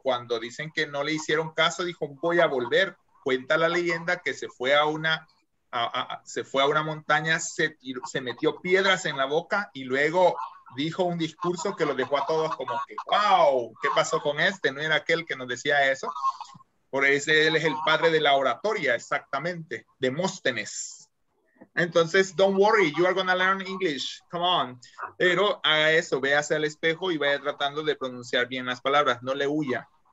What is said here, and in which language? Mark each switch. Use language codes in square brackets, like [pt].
[es] Cuando dicen que no le hicieron caso, dijo, voy a volver. Cuenta la leyenda que se fue a una, se fue a una montaña, se metió piedras en la boca y luego dijo un discurso que lo dejó a todos como que, wow, ¿qué pasó con este? No era aquel que nos decía eso. Por eso él es el padre de la oratoria, exactamente, Demóstenes. [en] Entonces, don't worry, you are going to learn English, come on. [es] Pero haga eso, véase al espejo y vaya tratando de pronunciar bien las palabras, no le huya.